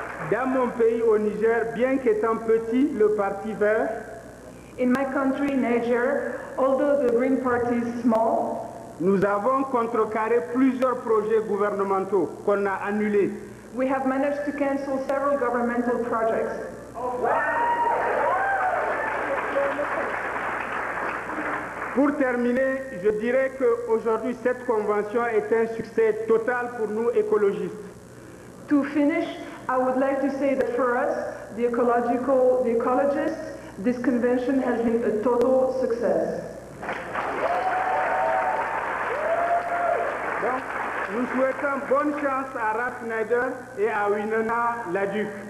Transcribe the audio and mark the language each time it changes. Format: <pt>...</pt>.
<fr>Dans mon pays, au Niger, bien qu'étant petit, le Parti Vert.</fr> <en>In my country, Niger, although the Green Party is small,</en> <fr>nous avons contrecarré plusieurs projets gouvernementaux qu'on a annulés.</fr> <en>We have managed to cancel several governmental projects.</en> <fr>Pour terminer, je dirais qu'aujourd'hui, cette convention est un succès total pour nous écologistes.</fr> <en>To finish, I would like to say that for us, the ecologists, this convention has been a total success.</en> <fr>Nous souhaitons bonne chance à Raph Schneider et à Winona LaDuke.</fr>